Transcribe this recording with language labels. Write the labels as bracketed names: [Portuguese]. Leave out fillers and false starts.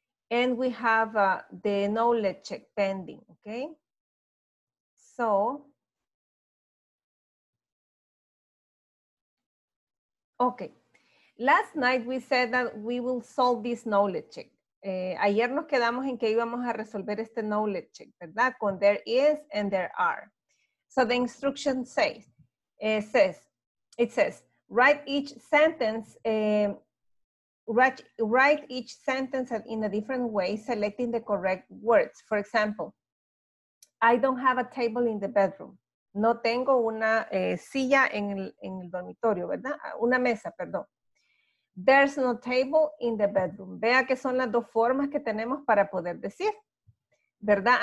[English] And we have the knowledge check pending, okay? So okay, last night we said that we will solve this knowledge check. [Spanish] Ayer nos quedamos en que íbamos a resolver este knowledge check, ¿verdad? Con [English] there is and there are. So the instruction says, it says, write each sentence, write each sentence in a different way, selecting the correct words. For example, I don't have a table in the bedroom. [Spanish] No tengo una silla en el dormitorio, ¿verdad? Una mesa, perdón. [English] There's no table in the bedroom. [Spanish] Vea que son las dos formas que tenemos para poder decir, ¿verdad?